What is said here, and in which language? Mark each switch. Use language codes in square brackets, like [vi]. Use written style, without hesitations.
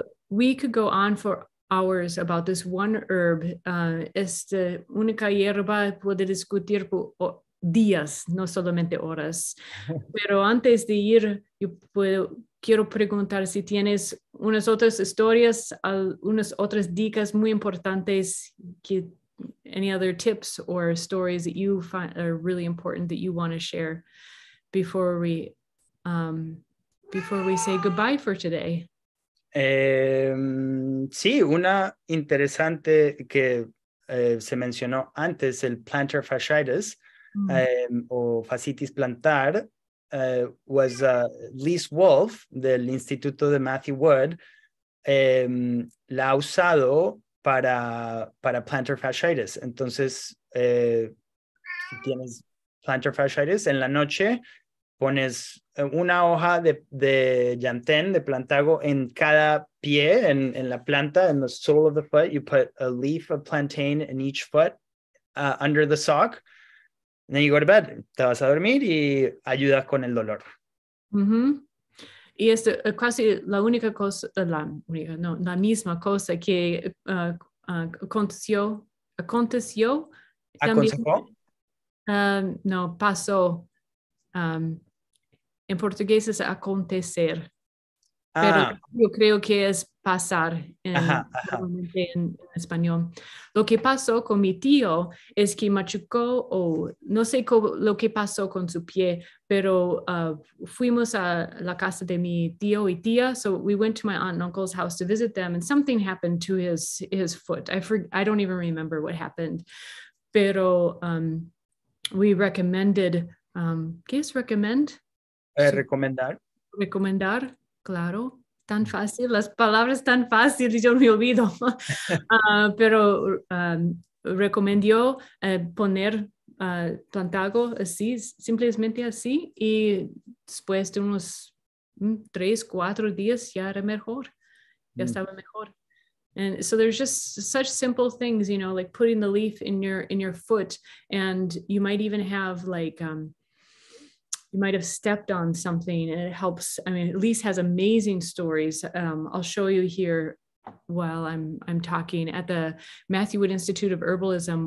[en] We could go on for hours about this one herb. [es] Esta única hierba puede discutir por días, no solamente horas. Pero antes de ir, quiero preguntar si tienes unas otras historias, unas otras dicas muy importantes que... [en] Any other tips or stories that you find are really important that you want to share before we say goodbye for today. [es] Sí, una interesante que se mencionó antes, el plantar fasciitis, o fascitis plantar, was Lise Wolf del Instituto de Matthew Wood, la ha usado para plantar fasciitis. Entonces, si tienes plantar fasciitis, en la noche pones una hoja de Llantén, de Plantago, en cada pie, en la planta, en [en] the sole of the foot. You put a leaf of plantain in each foot under the sock. And then you go to bed. [es] Te vas a dormir y ayudas con el dolor. Mm-hmm. Y es casi la única cosa, la misma cosa que aconteció. ¿Aconsejó? No, pasó. En portugués es acontecer, pero yo creo que es pasar en español. Lo que pasó con mi tío es que machucó, no sé lo que pasó con su pie, pero fuimos a la casa de mi tío y tía. [en] So we went to my aunt and uncle's house to visit them, and something happened to his foot. I don't even remember what happened, pero we recommended. [es] ¿Qué es recommend? Recomendar, claro, tan fácil, las palabras tan fáciles, yo me olvido, pero recomendó poner plantago así, simplemente así, y después de unos 3-4 días ya era mejor, ya estaba mejor. [en] And so there's just such simple things, you know, like putting the leaf in your foot, and you might even have like, you might have stepped on something and it helps. I mean, Lise has amazing stories. I'll show you here while I'm talking at the Matthew Wood Institute of Herbalism.